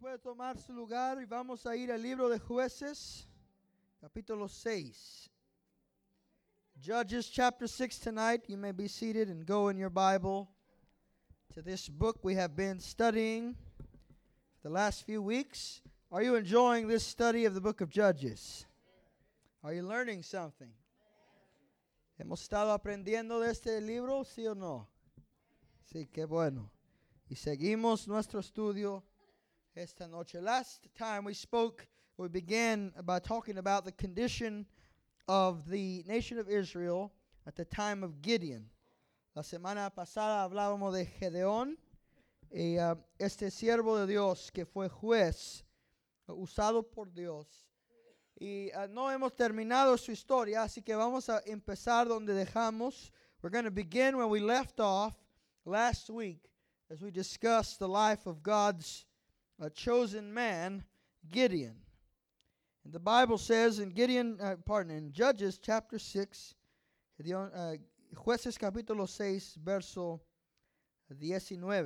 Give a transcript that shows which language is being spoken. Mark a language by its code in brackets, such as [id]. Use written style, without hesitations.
[es] Puede tomar su lugar y vamos a ir al libro de Jueces, capítulo 6. [en] Judges chapter 6 tonight. You may be seated and go in your Bible to this book we have been studying for the last few weeks. Are you enjoying this study of the book of Judges? Are you learning something? [es] ¿Hemos estado aprendiendo de este libro, sí o no? Sí, qué bueno. Y seguimos nuestro estudio esta noche. [en] Last time we spoke, we began by talking about the condition of the nation of Israel at the time of Gideon. [es] La semana pasada hablábamos de Gedeón, este siervo de Dios que fue juez, usado por Dios. Y no hemos terminado su historia, así que vamos a empezar donde dejamos. [en] We're going to begin where we left off last week as we discussed the life of God's chosen man, Gideon. And the Bible says in in Judges chapter 6, [es] Jueces capítulo 6, verso 19.